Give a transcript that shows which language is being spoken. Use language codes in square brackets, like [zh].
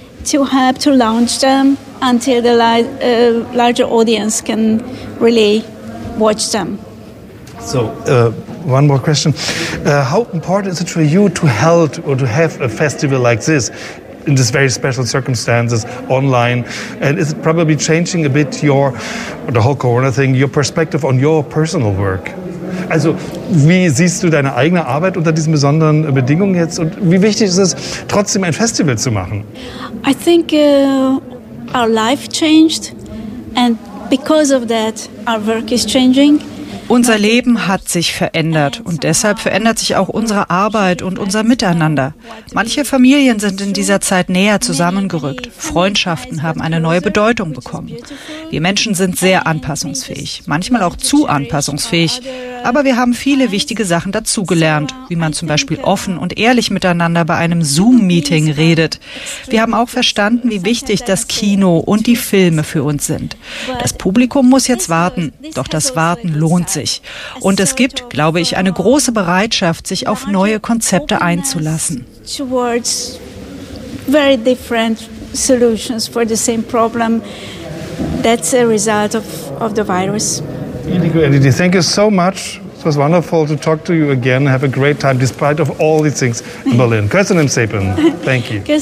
[en] To help to launch them until the larger audience can really watch them. So, one more question. How important is it for you to help or to have a festival like this in this very special circumstances online? And is it probably changing a bit your, the whole corona thing, your perspective on your personal work? [de] Also, wie siehst du deine eigene Arbeit unter diesen besonderen Bedingungen jetzt? Und wie wichtig ist es, trotzdem ein Festival zu machen? [en] I think our life changed and because of that our work is changing. [de] Unser Leben hat sich verändert und deshalb verändert sich auch unsere Arbeit und unser Miteinander. Manche Familien sind in dieser Zeit näher zusammengerückt. Freundschaften haben eine neue Bedeutung bekommen. Wir Menschen sind sehr anpassungsfähig, manchmal auch zu anpassungsfähig. Aber wir haben viele wichtige Sachen dazugelernt, wie man zum Beispiel offen und ehrlich miteinander bei einem Zoom-Meeting redet. Wir haben auch verstanden, wie wichtig das Kino und die Filme für uns sind. Das Publikum muss jetzt warten, doch das Warten lohnt sich. Und es gibt, glaube ich, eine große Bereitschaft, sich auf neue Konzepte einzulassen. [en] Towards very different solutions for the same problem. That's a result of the virus. Thank you so much. It was wonderful to talk to you again. Have a great time despite of all these things in Berlin. Thank you.